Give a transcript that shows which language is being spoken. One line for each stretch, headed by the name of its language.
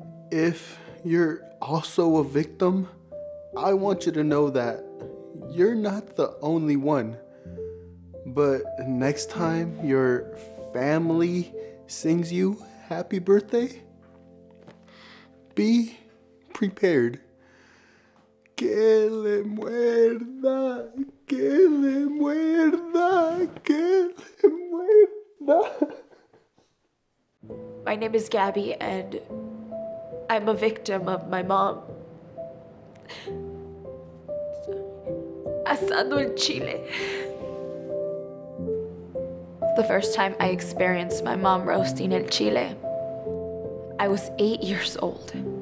English: If you're also a victim, I want you to know that you're not the only one. But next time your family sings you happy birthday, be prepared.
Spanish: Que le muerda, que le muerda, que le muerda.
English: My name is Gabby, and I'm a victim of my mom.
Spanish: Asando el chile.
English: The first time I experienced my mom roasting
Spanish: el chile,
English: I was 8 years old.